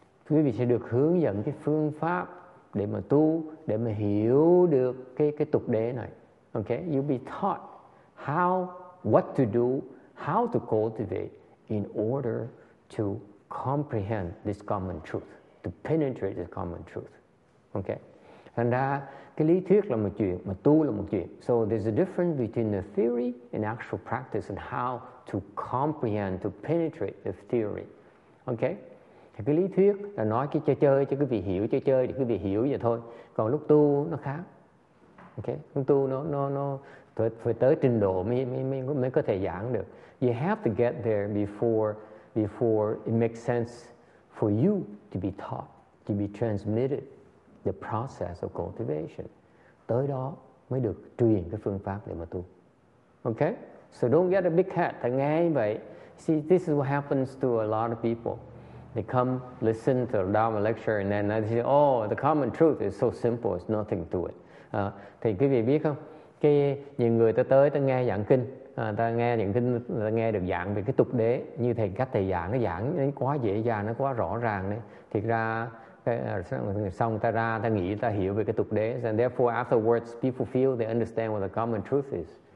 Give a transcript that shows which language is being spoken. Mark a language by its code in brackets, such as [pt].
[vi] Quý vị sẽ được hướng dẫn cái phương pháp để mà tu, để mà hiểu được cái tục đế này. [en] Okay, you'll be taught how, what to do, how to cultivate in order to comprehend this common truth, to penetrate this common truth. Okay. [vi] Thành ra cái lý thuyết là một chuyện, mà tu là một chuyện. [en] So there's a difference between the theory and actual practice and how to comprehend, to penetrate the theory. Okay? [vi] Thì cái lý thuyết là nói cái chơi chơi cho quý vị hiểu, chơi chơi để quý vị hiểu vậy thôi. Còn lúc tu nó khác. Okay? Lúc tu nó phải tới trình độ mới có thể giảng được. [en] You have to get there before it makes sense for you to be taught, to be transmitted the process of cultivation. [vi] Tới đó mới được truyền cái phương pháp để mà tu. [en] Okay? So don't get a big head. [vi] Thầy nghe như vậy. [en] See, this is what happens to a lot of people. They come listen to a Dharma lecture and then they say, oh, the common truth is so simple. It's nothing to it. [vi] Thì quý vị biết không? Cái nhiều người ta tới, ta nghe giảng kinh. Ta nghe giảng kinh, ta nghe được giảng về cái tục đế. Như thầy, cách thầy giảng, nó giảng nó quá dễ dàng, nó quá rõ ràng. Đấy. Thiệt ra, xong ta ra ta nghĩ ta hiểu về cái tục đế, [en] and therefore afterwards people feel they understand what the common truth is.